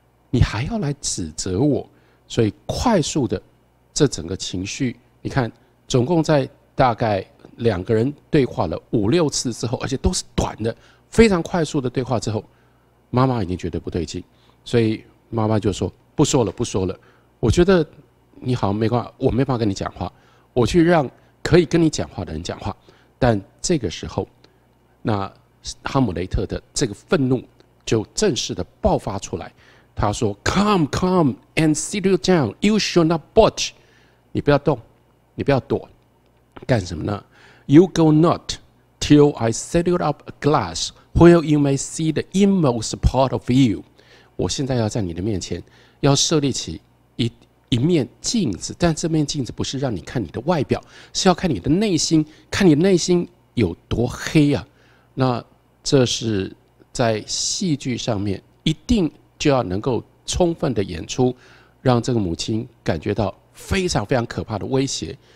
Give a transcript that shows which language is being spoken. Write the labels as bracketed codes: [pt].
[zh] 你还要来指责我？所以快速的这整个情绪，你看总共在大概两个人对话了五六次之后，而且都是短的非常快速的对话之后，妈妈已经觉得不对劲，所以妈妈就说不说了不说了，我觉得你好像没办法，我没办法跟你讲话，我去让可以跟你讲话的人讲话。但这个时候那哈姆雷特的这个愤怒就正式的爆发出来，他说 [en] Come, come and sit you down. You should not budge. [zh] 你不要动，你不要躲，干什么呢？ [en] You go not till I set you up a glass where you may see the inmost part of you. [zh] 我现在要在你的面前要设立起 一面镜子，但这面镜子不是让你看你的外表，是要看你的内心，看你内心有多黑啊。那这是在戏剧上面一定就要能够充分的演出，让这个母亲感觉到非常非常可怕的威胁。